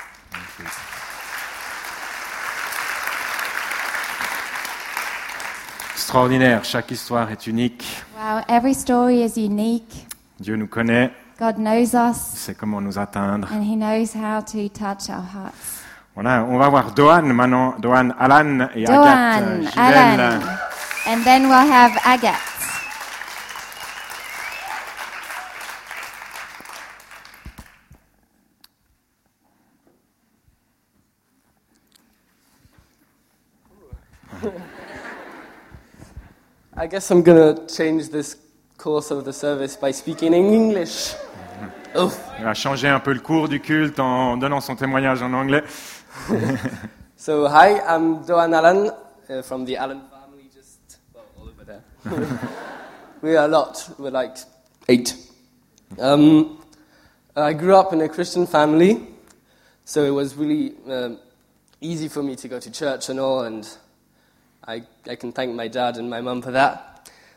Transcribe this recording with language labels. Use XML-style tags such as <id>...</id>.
<en>Thank you.</en> <fr>Extraordinaire, chaque histoire est unique.</fr> <en>Wow, every story is unique.</en> <fr>Dieu nous connaît.</fr> <en>God knows us.</en> <fr>Il sait comment nous atteindre.</fr> <en>And he knows how to touch our hearts.</en> <fr>Voilà, on va voir Doan maintenant, Doan, Alan et Doan, Agathe.</fr> <en>Doan, Alan. And then we'll have Agathe. I guess I'm going to change this course of the service by speaking in English.</en> <fr>Il a changé un peu le cours du culte en donnant son témoignage en anglais.</fr> <en>So, hi, I'm Doan Allen from the Allen family, just all over there. We are a lot, we're like eight. I grew up in a Christian family, so it was really easy for me to go to church and all, and I can thank my dad and my mum for that.</en>